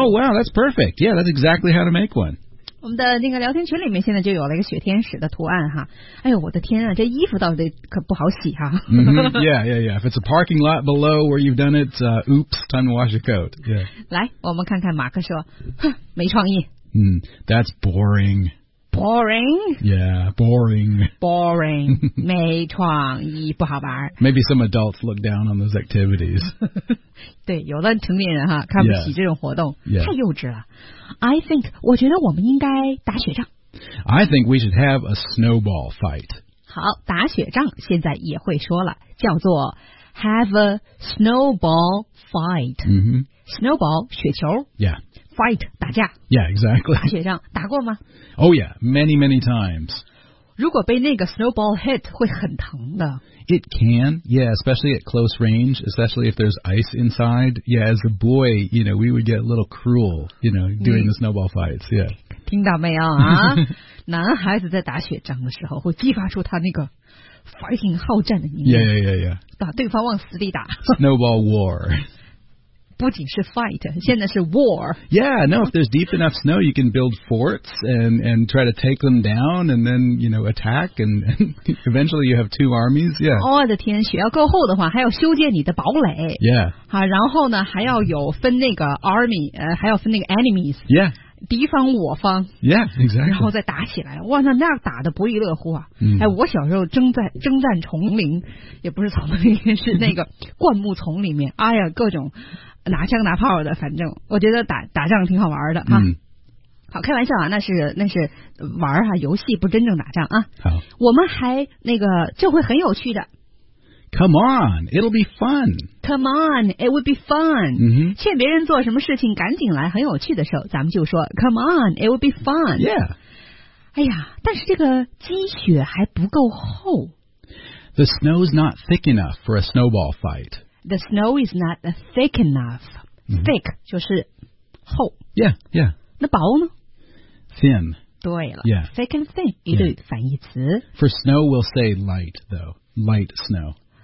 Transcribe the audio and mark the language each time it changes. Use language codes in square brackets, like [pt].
[en] Oh wow that's perfect Yeah that's exactly how to make one [zh] 我们的那个聊天群里面现在就有了一个雪天使的图案哈，哎呦我的天啊，这衣服到底可不好洗哈。 Mm-hmm. [en] Yeah, yeah, yeah. If it's a parking lot below where you've done it,、oops, time to wash your coat. Yeah. [zh] 来，我们看看马克说，哼，没创意。 [en] 嗯、mm, ，That's boring. Boring. Yeah, boring. [zh] Boring. 没创意，不好玩。 [en] Maybe some adults look down on those activities. [zh] 对，有的成年人哈看不起这种活动， [en] yeah. [zh] 太幼稚了。 I think, 我觉得我们应该打雪仗。 [en] I think we should have a snowball fight. [zh] 好，打雪仗现在也会说了，叫做 have a snowball fight.、 Mm-hmm. Snowball, 雪球。 [en] Yeah. [zh] Fight, 打架。 [en] Yeah, exactly. [zh] 打雪仗，打过吗？ [en] Oh yeah, many, many times. [zh] 如果被那个 snowball hit, 会很疼的。 [en] It can, yeah, especially at close range, especially if there's ice inside. Yeah, as a boy, you know, we would get a little cruel, you know, doing、mm. the snowball fights, yeah. [zh] 听到没有啊？男孩子在打雪仗的时候会激发出他那个 fighting 好战的一面。 [en] Yeah, yeah, yeah, yeah. [zh] 把对方往死里打。 [en] Snowball war. [zh] 不仅是 fight, 现在是 war. [en] Yeah, no, if there's deep enough snow, you can build forts and try to take them down and then, you know, attack and eventually you have two armies, yeah. [zh] 我的天，雪要够厚的话，还要修建你的堡垒。 [en] Yeah. [zh] 好，然后呢，还要有分那个 army, 还要分那个 enemies. [en] Yeah. [zh] 敌方我方 [en] yeah, exactly. [zh] 然后再打起来哇那样打得不亦乐乎啊、 mm. 哎、我小时候征战丛林也不是丛林是那个灌木丛里面哎呀各种拿枪拿炮的反正我觉得打仗挺好玩的、啊 mm. 好开玩笑啊那是玩啊游戏不真正打仗啊好我们还那个这会很有趣的 [en] Come on, it'll be fun. Come on, it would be fun.、 Mm-hmm. [zh] 劝别人做什么事情赶紧来很有趣的时候咱们就说 Come on, it would be fun. [en] Yeah. [zh] 哎呀但是这个积雪还不够厚。 [en] The snow is not thick enough for a snowball fight. The snow is not thick enough.、 Mm-hmm. [zh] Thick 就是厚。 [en] Yeah, yeah. [zh] 那薄呢 [en] Thin. [zh] 对了、 [en] yeah. [zh] Thick and thin, 一对反义词。 [en] Yeah. For snow, we'll say light, though. Light snow.